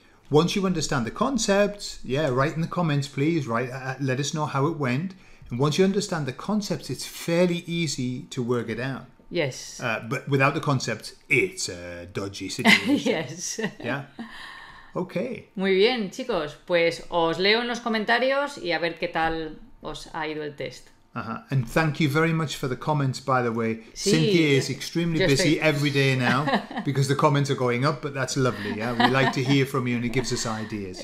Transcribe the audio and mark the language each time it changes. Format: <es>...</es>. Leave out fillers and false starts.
<en>Once you understand the concepts, yeah, write in the comments, please. Let us know how it went. And once you understand the concepts, it's fairly easy to work it out. Yes. But without the concepts, it's a dodgy situation. Yes. Yeah. Okay.</en> <es>Muy bien, chicos. Pues os leo en los comentarios y a ver qué tal os ha ido el test.</es> <en>And thank you very much for the comments, by the way.</en> <es>Sí,</es> <en>Cynthia is extremely busy every day now because the comments are going up, but that's lovely. Yeah, we like to hear from you and it gives us ideas.</en>